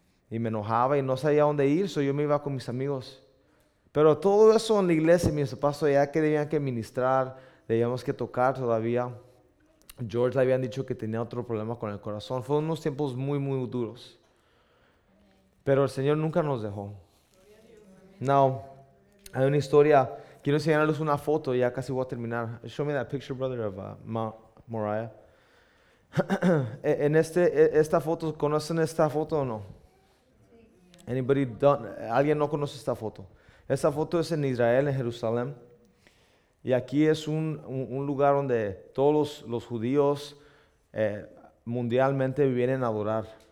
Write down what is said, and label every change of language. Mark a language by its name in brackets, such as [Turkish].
[Spanish] Y me enojaba y no sabía dónde ir, so yo me iba con mis amigos. Pero todo eso en la iglesia, mis papás, ya que debían que ministrar, debíamos que tocar todavía. George le habían dicho que tenía otro problema con el corazón. Fueron unos tiempos muy, muy duros. Pero el Señor nunca nos dejó. No. Hay una historia, quiero enseñarles una foto, ya casi voy a terminar. [English] Show me that picture, brother, of Mount Moriah. [Spanish] esta foto, ¿conocen esta foto o no? [English] Anybody done? [Spanish] ¿Alguien no conoce esta foto? Esta foto es en Israel, en Jerusalén. Y aquí es un lugar donde todos los judíos mundialmente vienen a adorar.